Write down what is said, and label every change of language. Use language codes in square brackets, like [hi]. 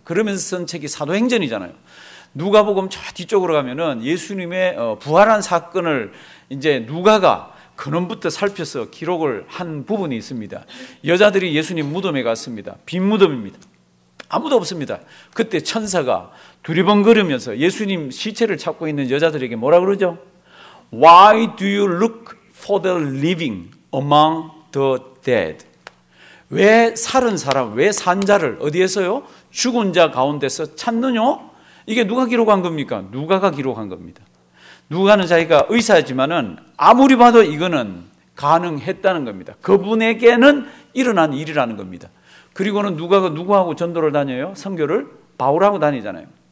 [ko] 그러면서 쓴 책이 사도행전이잖아요. 누가복음 저 뒤쪽으로 가면은 예수님의 부활한 사건을 이제 누가가 근원부터 살펴서 기록을 한 부분이 있습니다. 여자들이 예수님 무덤에 갔습니다. 빈 무덤입니다. 아무도 없습니다. 그때 천사가 두리번거리면서 예수님 시체를 찾고 있는 여자들에게 뭐라 그러죠? [en] Why do you look for the living among the dead? [ko] 왜 살은 사람, 왜 산자를 어디에서요? 죽은 자 가운데서 찾느냐? 이게 누가 기록한 겁니까? 누가가 기록한 겁니다. 누가는 자기가 의사지만은 아무리 봐도 이거는 가능했다는 겁니다. 그분에게는 일어난 일이라는 겁니다. 그리고는 누가가 누구하고 전도를 다녀요? 선교를? 바울하고 다니잖아요.